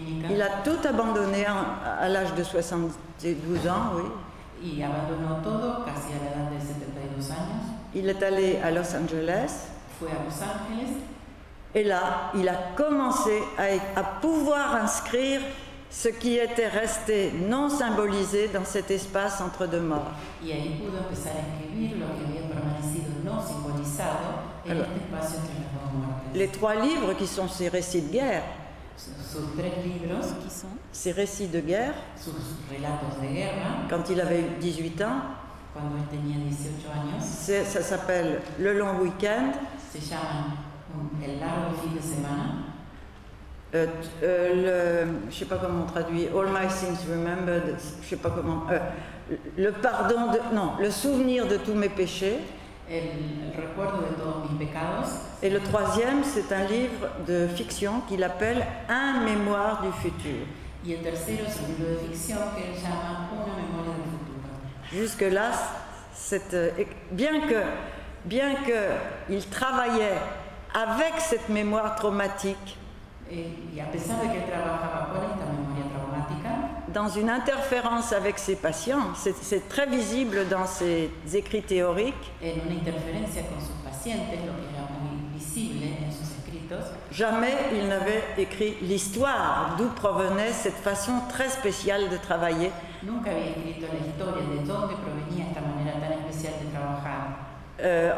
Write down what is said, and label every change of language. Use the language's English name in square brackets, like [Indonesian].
[French] Il a tout abandonné à l'âge de 72 ans, oui. [Spanish] Y abandonó todo casi a la edad de 72 años. [French] Il est allé à Los Angeles. [Spanish] Fue a Los Angeles. [French] Et là, il a commencé à pouvoir inscrire ce qui était resté non symbolisé dans cet espace entre deux morts. [Spanish] Y ahí pudo empezar a escribir lo que había permanecido no simbolizado en este espacio entre las dos muertes. [French] Les trois livres qui sont ces récits de guerre. [Spanish] Sus tres libros [French] qui sont ces récits de guerre. [Spanish] Sus relatos de guerra. [French] Quand il avait 18 ans. [Spanish] Cuando él tenía 18 años. [French] Ça s'appelle Le Long Weekend. [Spanish] Se llama El Largo Fin de Semana. [French] Je sais pas comment on traduit. All My Sins Remembered. Je sais pas comment. Le souvenir de tous mes péchés. [Spanish] El recuerdo de todos mis pecados. [French] Et le troisième, c'est un livre de fiction qu'il appelle Un mémoire du futur. [Spanish] Y el tercero es un libro de ficción que él llama Una memoria del futuro. [French] Jusque là, c'est bien que il travaillait avec cette mémoire traumatique. [Spanish] Y a pesar de que él trabajaba con esta memoria traumática. [French] Dans une interférence avec ses patients, c'est très visible dans ses écrits théoriques. [Spanish] En una interferencia con sus pacientes, lo que era muy visible en sus escritos. [French] Jamais il n'avait écrit l'histoire, d'où provenait cette façon très spéciale de travailler. [Spanish] Nunca había escrito la historia, de dónde provenía esta manera tan especial de trabajar.